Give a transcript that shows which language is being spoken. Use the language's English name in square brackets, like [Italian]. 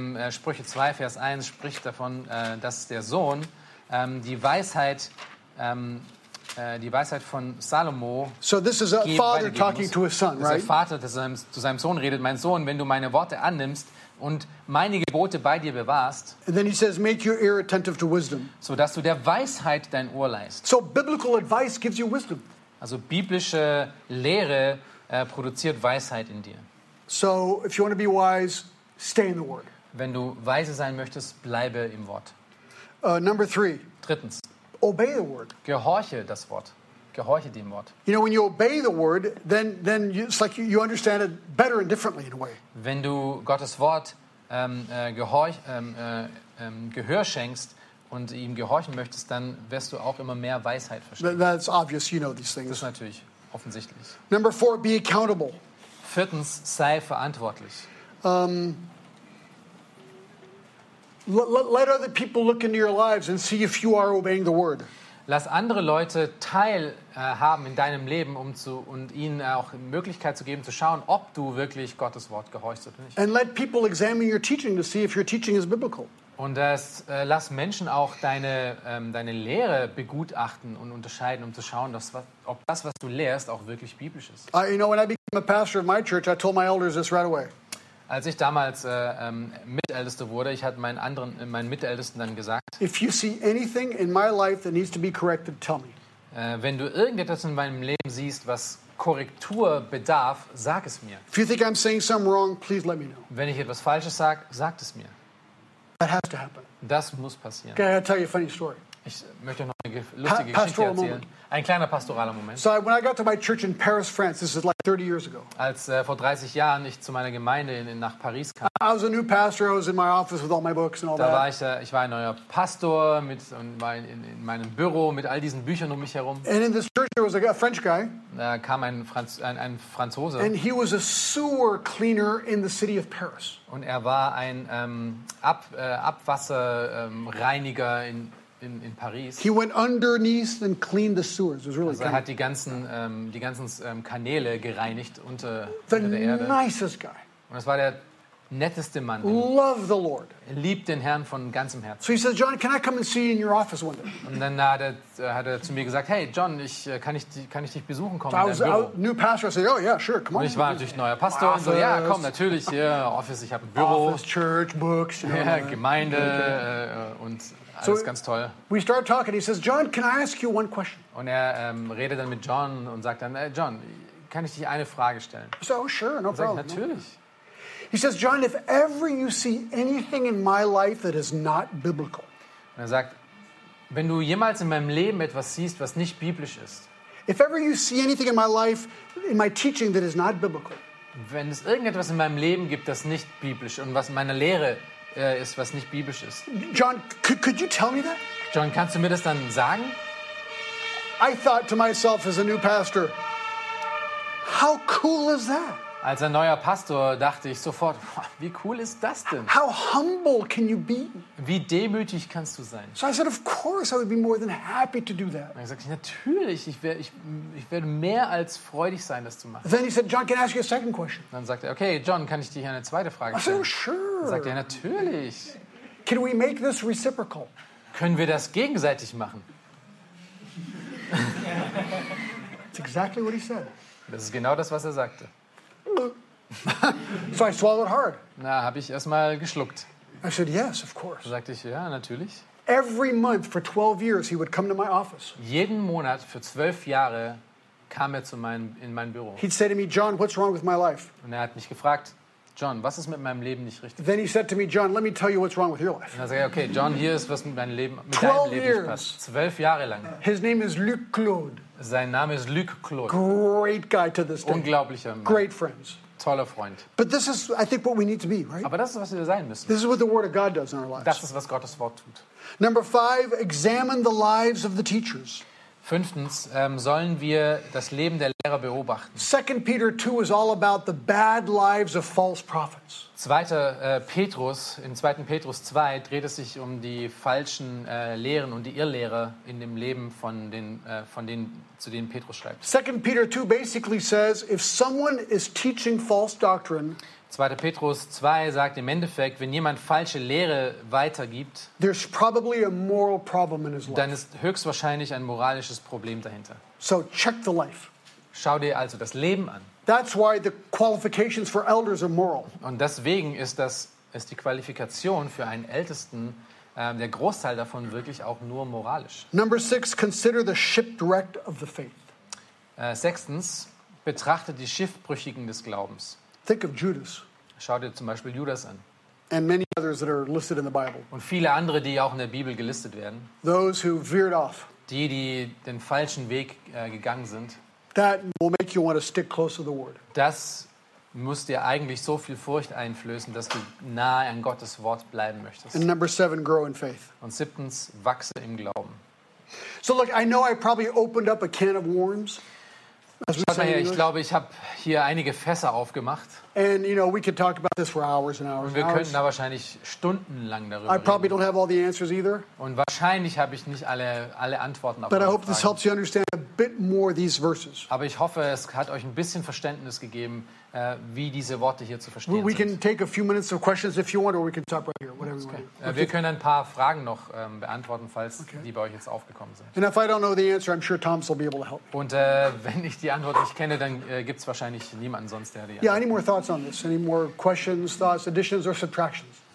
[German] Sprüche 2, Vers 1 spricht davon, dass der Sohn die Weisheit von Salomo. [English] So this is a father talking to his son, right? [German] Der Vater, der zu seinem Sohn redet, mein Sohn, wenn du meine Worte annimmst und meine Gebote bei dir bewahrst, [English] and then he says, make your ear attentive to wisdom. [German] So dass du der Weisheit dein Ohr leist. [English] So biblical advice gives you wisdom. [German] Also biblische Lehre produziert Weisheit in dir. [English] So if you want to be wise, stay in the Word. [German] Wenn du weise sein möchtest, bleibe im Wort. [English] Number three. [German] Drittens. [English] Obey the Word. [German] Gehorche das Wort. Gehorche dem Wort. [English] You know, when you obey the Word, then it's like you understand it better and differently in a way. [German] Wenn du Gottes Wort Gehör schenkst und ihm gehorchen möchtest, dann wirst du auch immer mehr Weisheit verstehen. [English] That's obvious, you know these things. [German] Das ist natürlich offensichtlich. [English] Number four, be accountable. [German] Viertens, sei verantwortlich. [English] Let other people look into your lives and see if you are obeying the Word. [German] Lass andere Leute teilhaben in deinem Leben, und ihnen auch Möglichkeit zu geben, zu schauen, ob du wirklich Gottes Wort gehorchst oder nicht. [English] And let people examine your teaching to see if your teaching is biblical. [German] Und lass Menschen auch deine Lehre begutachten und unterscheiden, um zu schauen, ob das, was du lehrst, auch wirklich biblisch ist. [English] You know, when I became a pastor of my church, I told my elders this right away. [German] Als ich damals Mitälteste wurde, ich hatte meinen Mitältesten dann gesagt, [English] If you see anything in my life that needs to be corrected, tell me. [German] Wenn du irgendetwas in meinem Leben siehst, was Korrektur bedarf, sag es mir. [English] If you think I'm saying something wrong, please let me know. [German] Wenn ich etwas Falsches sage, sag es mir. [English] That has to happen. [German] Das muss passieren. [English] Okay, I gotta tell you a funny story. [German] Ich möchte noch eine lustige Geschichte erzählen. Moment. Ein kleiner pastoraler Moment. [English] So when I got to my church in Paris, France, this is like 30 years ago. [German] Als vor 30 Jahren ich zu meiner Gemeinde nach Paris kam. [English] I was a new pastor. I was in my office with all my books and all [German] da [English] that. [German] Da war ich war ein neuer Pastor in meinem Büro mit all diesen Büchern um mich herum. [English] And in this church there was a French guy. [German] Da kam ein Franzose. [English] And he was a sewer cleaner in the city of Paris. [German] Und er war ein Abwasserreiniger in Paris. [English] He went underneath and cleaned the sewers. It was really [German] also er hat die ganzen Kanäle gereinigt unter der Erde. [English] The nicest guy. [German] Und das war der netteste Mann. [English] Love the Lord. [German] Er liebt den Herrn von ganzem Herzen. [English] So he says, John, can I come and see you in your office one day? [German] Und dann hat er zu mir gesagt, hey John, kann ich dich besuchen kommen? [English] I was a new pastor. I said, oh yeah, sure, come on. [German] Und ich war natürlich neuer Pastor. Und so, ja, komm, natürlich, yeah, Office, ich habe ein Büro. [English] Office, church, books. [German] Ja, yeah, Gemeinde und so alles ganz toll. [English] We start talking. He says, John, can I ask you one question? [German] Und er redet dann mit John und sagt dann, John, kann ich dich eine Frage stellen? [English] So, sure, no problem. [German] Natürlich. [English] He says, John, if ever you see anything in my life that is not biblical. [German] Und er sagt, wenn du jemals in meinem Leben etwas siehst, was nicht biblisch ist. [English] If ever you see anything in my life, in my teaching that is not biblical. [German] Wenn es irgendetwas in meinem Leben gibt, das nicht biblisch und was meine Lehre ist, was nicht biblisch ist. [English] John, could you tell me that? [German] John, kannst du mir das dann sagen? [English] I thought to myself as a new pastor, how cool is that? [German] Als ein neuer Pastor dachte ich sofort, wie cool ist das denn? [English] How humble can you be? [German] Wie demütig kannst du sein? [English] So I said, of course I would be more than happy to do that. [German] Und er sagte, natürlich, ich werde mehr als freudig sein, das zu machen. [English] Then he said, John, can I ask you a second question? [German] Dann sagte er, okay, John, kann ich dir eine zweite Frage stellen? [English] I said, sure. [German] Dann sagte er, natürlich. [English] Can we make this reciprocal? [German] Können wir das gegenseitig machen? [English] That's exactly what he said. [German] Das ist genau das, was er sagte. [English] So I swallowed hard. [German] Na, habe ich erstmal geschluckt. [English] I said yes, of course. [German] Sagte ich ja, natürlich. [English] Every month for 12 years he would come to my office. [German] Jeden Monat für 12 Jahre kam er in mein Büro. [English] He'd say to me, John, what's wrong with my life? [German] Und er hat mich gefragt, John, was ist mit meinem Leben nicht richtig? [English] Then he said to me, John, let me tell you what's wrong with your life. [German] Und er sagte, okay, John, hier ist was mit meinem Leben nicht passt. [English] 12 years. [German] 12 Jahre lang. [English] His name is Luc Claude. [German] Sein Name ist Luc Claude. [English] Great guy to this day. [German] Unglaublicher Mann. [English] Great friends. [German] Toller Freund. [English] But this is, I think, what we need to be, right? [German] Aber das ist, was wir sein müssen. [English] This is what the Word of God does in our lives. [German] Das ist, was Gottes Wort tut. [English] Number 5, examine the lives of the teachers. [German] Fünftens, sollen wir das Leben der Lehrer beobachten. [English] 2 Peter 2 is all about the bad lives of false prophets. [German] In 2. Petrus 2 dreht es sich um die falschen Lehren und die Irrlehrer in dem Leben von denen, zu denen Petrus schreibt. [English] 2 Peter 2 basically says, if someone is teaching false doctrine, [German] 2. Petrus 2 sagt im Endeffekt, wenn jemand falsche Lehre weitergibt, [English] there's probably a moral problem in his life. [German] Dann ist höchstwahrscheinlich ein moralisches Problem dahinter. [English] So check the life. [German] Schau dir also das Leben an. [English] That's why the qualifications for elders are moral. [German] Und deswegen ist die Qualifikation für einen Ältesten, der Großteil davon, wirklich auch nur moralisch. [English] Number 6, consider the shipwrecked of the faith. [German] Sechstens, betrachte die Schiffbrüchigen des Glaubens. [English] Think of Judas. [German] Schau dir zum Beispiel Judas an. [English] And many others that are listed in the Bible. [German] Und viele andere, die auch in der Bibel gelistet werden. [English] Those who veered off. [German] Die den falschen Weg gegangen sind. [English] That will make you want to stick close to the Word. [German] Das muss dir eigentlich so viel Furcht einflößen, dass du nahe an Gottes Wort bleiben möchtest. [English] And number 7, grow in faith. [German] Und siebtens, wachse im Glauben. [English] So look, I know I probably opened up a can of worms. [German] Schaut mal her, ich glaube, ich habe hier einige Fässer aufgemacht. [English] And, you know, we could talk about this for hours and hours. [German] Und wir könnten da wahrscheinlich stundenlang darüber reden. [English] I probably [German] reden. [English] Don't have all the answers either. [German] Und wahrscheinlich habe ich nicht alle Antworten auf [English] But [German] alle [English] I hope [German] Fragen. [English] This helps you understand a bit more these verses. [German] Aber ich hoffe, es hat euch ein bisschen Verständnis gegeben, wie diese Worte hier zu verstehen [English] we can [German] sind. [English] Take a few minutes of questions if you want, or we can talk right here, whatever okay. you want. [German] Wir können ein paar Fragen noch beantworten, falls okay. die bei euch jetzt aufgekommen sind. [English] And if I don't know the answer, I'm sure Thomas will be able to help. [German] Und wenn ich die Antwort nicht kenne, dann gibt's wahrscheinlich niemanden sonst, der die. [English] Yeah, any more thoughts on this? Any more questions, thoughts, additions or subtractions?